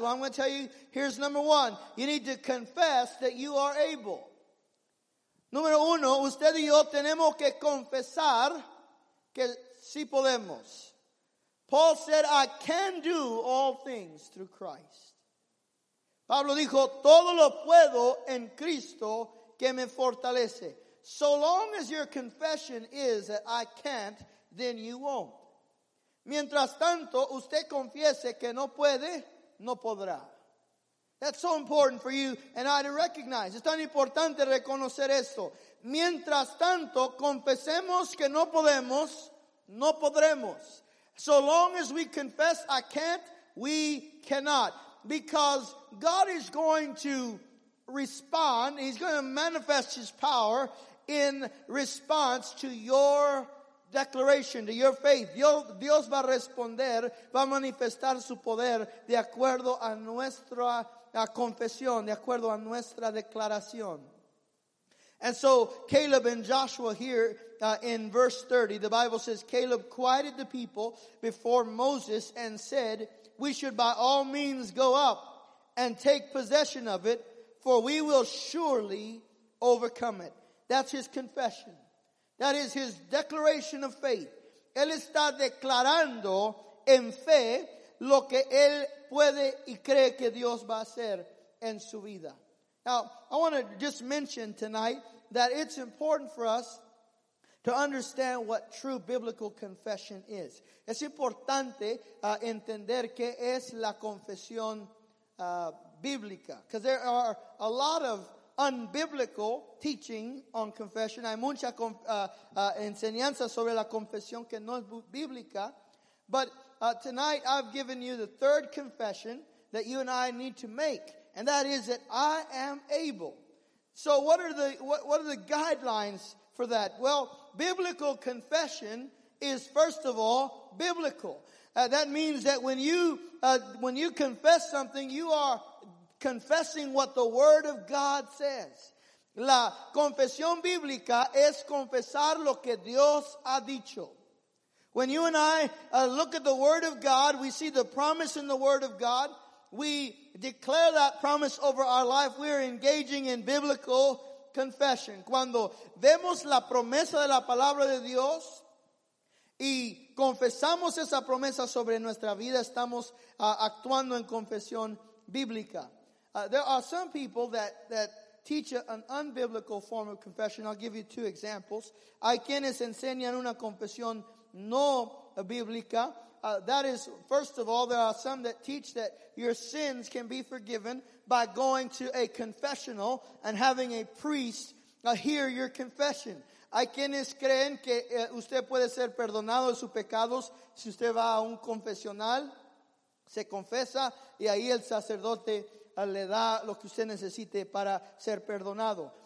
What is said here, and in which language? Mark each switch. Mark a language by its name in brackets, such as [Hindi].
[English] Well, I'm going to tell you, here's number one. You need to confess that you are able. [Spanish] Número uno, usted y yo tenemos que confesar que sí podemos. [English] Paul said, I can do all things through Christ. [Spanish] Pablo dijo, todo lo puedo en Cristo que me fortalece. [English] So long as your confession is that I can't, then you won't. [Spanish] Mientras tanto, usted confiese que no puede, no podrá. [English] That's so important for you and I to recognize. [Spanish] Es tan importante reconocer esto. Mientras tanto, confesemos que no podemos, no podremos. [English] So long as we confess I can't, we cannot. Because God is going to respond. He's going to manifest his power in response to your declaration, to your faith. [Spanish] Dios va a responder, va a manifestar su poder de acuerdo a nuestra confesión, de acuerdo a nuestra declaración. [English] And so Caleb and Joshua here in verse 30, the Bible says, Caleb quieted the people before Moses and said, we should by all means go up and take possession of it, for we will surely overcome it. That's his confession. That is his declaration of faith. [Spanish] Él está declarando en fe lo que él puede y cree que Dios va a hacer en su vida. [English] Now, I want to just mention tonight that it's important for us to understand what true biblical confession is. [Spanish] Es importante entender qué es la confesión bíblica. [English] Because there are a lot of unbiblical teaching on confession. [Spanish] Hay mucha enseñanza sobre la confesión que no es bíblica. [English] But tonight I've given you the third confession that you and I need to make. And that is that I am able. So what are the guidelines for that? Well, biblical confession is, first of all, biblical. That means that when you confess something, you are confessing what the Word of God says. [Spanish] La confesión bíblica es confesar lo que Dios ha dicho. [English] When you and I look at the Word of God, we see the promise in the Word of God. We declare that promise over our life. We are engaging in biblical confession. [Spanish] Cuando vemos la promesa de la palabra de Dios y confesamos esa promesa sobre nuestra vida, estamos actuando en confesión bíblica. [English] There are some people that teach an unbiblical form of confession. I'll give you two examples. [Spanish] Hay quienes enseñan una confesión no bíblica. [English] That is, first of all, there are some that teach that your sins can be forgiven by going to a confessional and having a priest hear your confession. [Spanish] Hay quienes creen que usted puede ser perdonado de sus pecados si usted va a un confesional, se confesa, y ahí el sacerdote le da lo que usted necesite para ser perdonado.